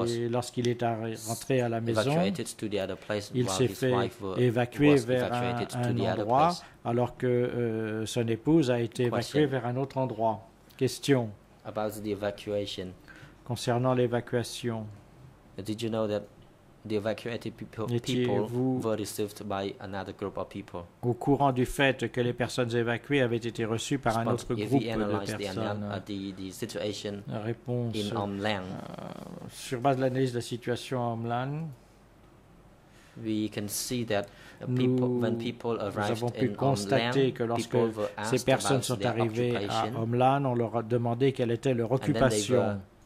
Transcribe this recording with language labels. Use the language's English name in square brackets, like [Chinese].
[French] Lorsqu'il est rentré à la maison, il s'est fait évacuer vers un endroit alors que son épouse a été évacuée vers un autre endroit. [English] Question. About the evacuation. [French] Concernant l'évacuation, [English] did you know that the evacuated people were received by another group of people? [French] Au courant du fait que les personnes évacuées avaient été reçues par un autre groupe de personnes? [English] The situation [French] réponse, [English] in Homeland. [French] Sur base de l'analyse de la situation en Homeland, [English] we can see that [French] ces personnes sont arrivées à Homeland, on leur a demandé quelle était leur occupation.